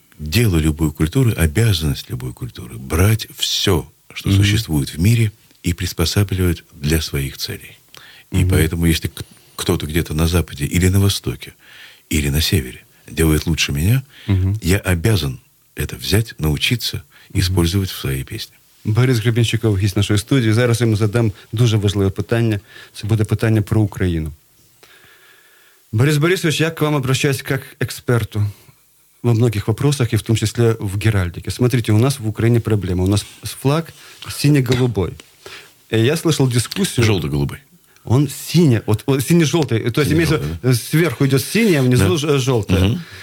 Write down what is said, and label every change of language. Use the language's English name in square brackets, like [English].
[Russian] Дело любой культуры, обязанность любой культуры – брать все, что существует в мире, и приспосабливать для своих целей. И поэтому, если кто-то где-то на Западе или на Востоке, или на Севере, делает лучше меня, я обязан это взять, научиться использовать в своей песне. Борис Гребенщиков есть в нашей студии. [Ukrainian] Зараз ему задам дуже важливе питання. Це буде питання про Україну. [Russian] Борис Борисович, я к вам обращаюсь как к эксперту во многих вопросах, и в том числе в геральдике. Смотрите, у нас в Украине проблема. У нас флаг сине-голубой. И я слышал дискуссию... Желто-голубой. Он синий, вот синий-желтый. То есть имеется сверху идет синий, а внизу желтое. Угу.